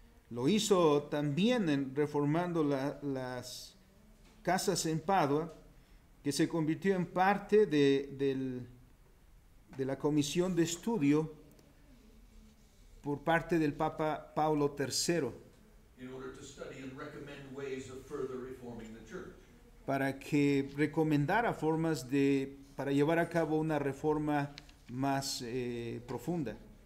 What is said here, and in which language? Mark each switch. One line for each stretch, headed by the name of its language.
Spanish: Lo hizo también en reformando las casas en Padua, que se convirtió en parte de la comisión de estudio por parte del Papa Pablo III.
English: In order to study and recommend ways of further reforming the church.
Spanish: Para que recomendara formas de, para llevar a cabo una reforma más profunda.